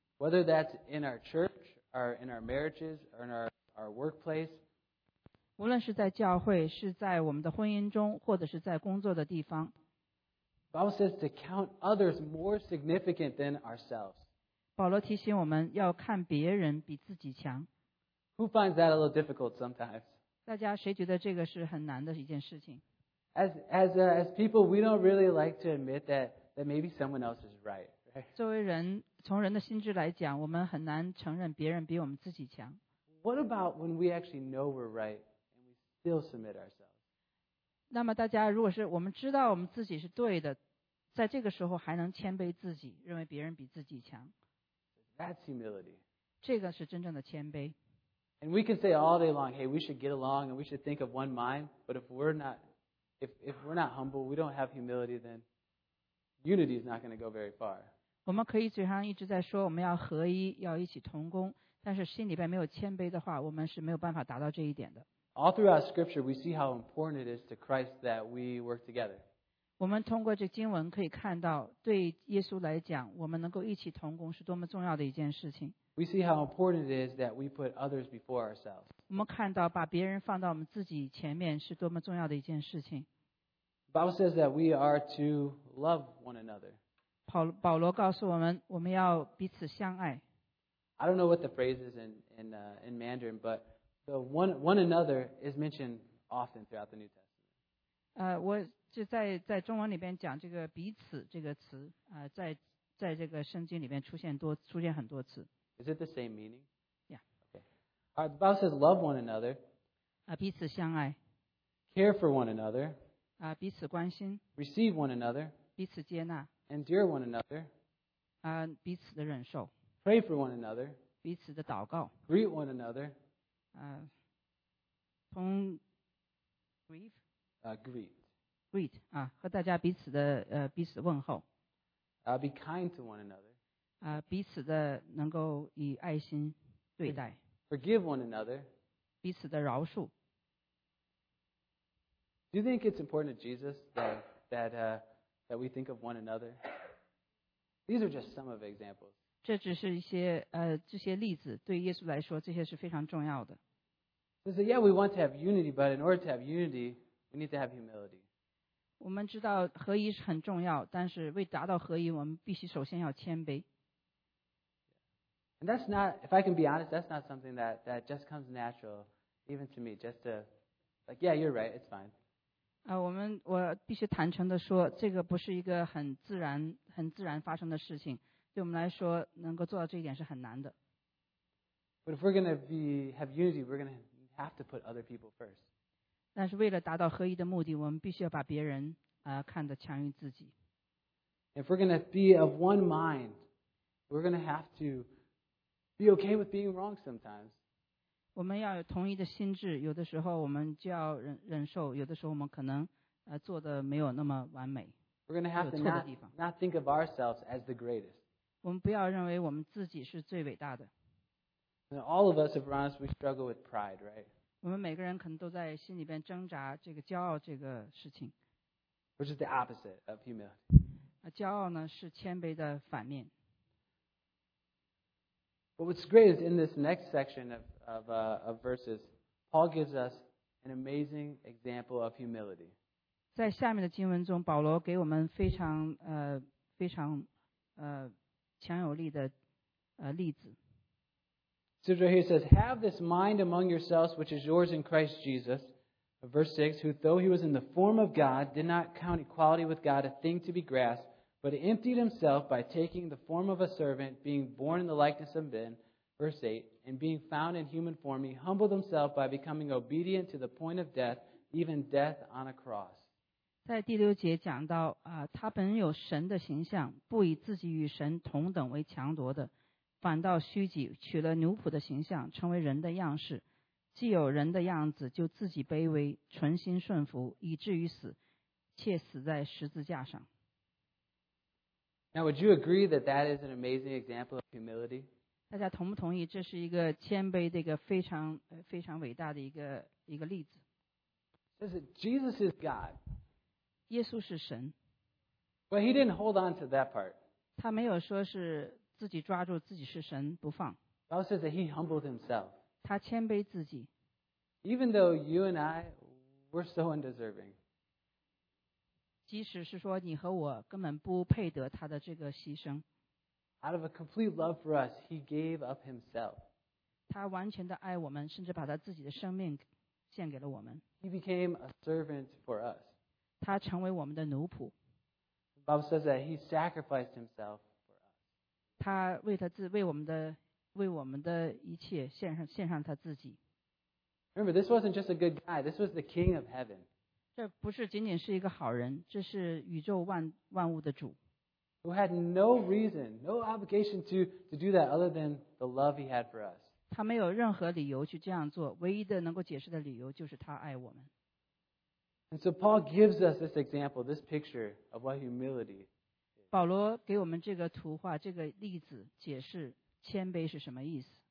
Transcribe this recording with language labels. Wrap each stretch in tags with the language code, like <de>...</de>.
<en>Whether that's in our church, or in our marriages, or in our workplace.</en> <zh>无论是在教会，是在我们的婚姻中，或者是在工作的地方。</zh> <en>Bible says to count others more significant than ourselves.</en> <zh>保罗提醒我们要看别人比自己强。</zh> <en>Who finds that a little difficult sometimes?</en> <zh>大家谁觉得这个是很难的一件事情？</zh> <en>As people, we don't really like to admit that maybe someone else is right.</en> <zh>作为人，从人的心智来讲，我们很难承认别人比我们自己强。</zh> <en>What about when we actually know we're right and we still submit ourselves?</en> <zh>那么大家，如果是我们知道我们自己是对的，在这个时候还能谦卑自己，认为别人比自己强。</zh> <en>That's humility.</en> <zh>这个是真正的谦卑。</zh> <en>And we can say all day long, hey, we should get along and we should think of one mind. But if we're not humble, we don't have humility, then unity is not going to go very far.</en> <zh>我们可以嘴上一直在说我们要合一，要一起同工，但是心里边没有谦卑的话，我们是没有办法达到这一点的。</zh> <en>All throughout Scripture, we see how important it is to Christ that we work together.</en> <zh>我们通过这经文可以看到，对耶稣来讲，我们能够一起同工是多么重要的一件事情。</zh> <en>We see how important it is that we put others before ourselves.</en> <zh>我们看到把别人放到我们自己前面是多么重要的一件事情。</zh> <en>The Bible says that we are to love one another.</en> <zh>保罗告诉我们，我们要彼此相爱。</zh> <en>I don't know what the phrase is in Mandarin, but the one another is mentioned often throughout the New Testament.</en> <zh>我就在中文里边讲这个彼此这个词，在这个圣经里边出现很多次。</zh> <en>Is it the same meaning? Yeah. Okay. All right, the Bible says love one another.</en> <zh>彼此相爱。</zh> <en>Care for one another.</en> <zh>彼此关心。</zh> <en>Receive one another.</en> <zh>彼此接纳。</zh> <en>Endure one another.</en> <zh>彼此的忍受。</zh> <en>Pray for one another.</en> <zh>彼此的祷告。</zh> <en>Greet one another. Greet. Greet.</en> <zh>啊，和大家彼此的彼此问候。</zh> <en>Be kind to one another.</en> <zh>啊，彼此的能够以爱心对待。</zh> <en>Forgive one another.</en> <zh>彼此的饶恕。</zh> <en>Do you think it's important to Jesus that we think of one another? These are just some of the examples.</en> <zh>这只是一些这些例子，对耶稣来说，这些是非常重要的。</zh> <en>He said, "Yeah, we want to have unity, but in order to have unity, we need to have humility."</en> <zh>我们知道合一是很重要，但是为达到合一，我们必须首先要谦卑。</zh> <en>And that's not, if I can be honest, that's not something that just comes natural, even to me. Just to, like, yeah, you're right, it's fine.</en> <zh>我必须坦诚地说，这个不是一个很自然发生的事情。对我们来说，能够做到这一点是很难的。</zh> <en>But if we're going to have unity, we're going to have to put other people first.</en> <zh>但是为了达到合一的目的，我们必须要把别人看得强于自己。</zh> <en>If we're going to be of one mind, we're going to have to be okay with being wrong sometimes.</en> <zh>我们要有同一的心智，有的时候我们就要忍受，有的时候我们可能做的没有那么完美。</zh> <en>We're going to have to not think of ourselves as the greatest.</en> <zh>我们不要认为我们自己是最伟大的。</zh> <en>All of us, if we're honest, we struggle with pride, right?</en> <zh>我们每个人可能都在心里边挣扎这个骄傲这个事情。</zh> <en>Which is the opposite of humility.</en> <zh>骄傲呢是谦卑的反面。</zh> <en>But what's great is in this next section of verses, Paul gives us an amazing example of humility.</en> <zh>在下面的经文中，保罗给我们非常非常强有力的例子。</zh> <en>So right here says, "Have this mind among yourselves, which is yours in Christ Jesus." Verse 6, who though he was in the form of God, did not count equality with God a thing to be grasped, but emptied himself by taking the form of a servant, being born in the likeness of men. Verse 8, and being found in human form, he humbled himself by becoming obedient to the point of death, even death on a cross.</en> <zh>在第六节讲到他本有神的形象，不以自己与神同等为强夺的，反倒虚己，取了奴仆的形象，成为人的样式，既有人的样子，就自己卑微，存心顺服，以至于死，且死在十字架上。</zh> <en>Now, would you agree that that is an amazing example of humility?</en> <zh>大家同不同意这是一个谦卑的一个非常非常伟大的一个例子？</zh> <en>Jesus is God.</en> <zh>耶稣是神。</zh> <en>But he didn't hold on to that part.</en> <zh>他没有说是自己抓住自己是神不放。</zh> <en>Paul says that he humbled himself.</en> <zh>他谦卑自己。</zh> <en>Even though you and I were so undeserving.</en> <zh>即使是说你和我根本不配得他的这个牺牲。</zh> <en>Out of a complete love for us, he gave up himself.</en> <zh>他完全的爱我们，甚至把他自己的生命献给了我们。</zh> <en>He became a servant for us.</en> <zh>他成为我们的奴仆。</zh> <en>The Bible says that he sacrificed himself for us.</en> <zh>他为他自为我们的一切献上他自己。</zh> <en>Remember, this wasn't just a good guy. This was the King of Heaven.</en> <zh>这不是仅仅是一个好人，这是宇宙万物的主。</zh> <en>Who had no reason, no obligation to do that other than the love he had for us.</en> <zh>他没有任何理由去这样做，唯一的能够解释的理由就是他爱我们。</zh> <en>And so Paul gives us this example, this picture of what humility is.</en> <zh>保罗给我们这个图画，这个例子解释谦卑是什么意思。</zh>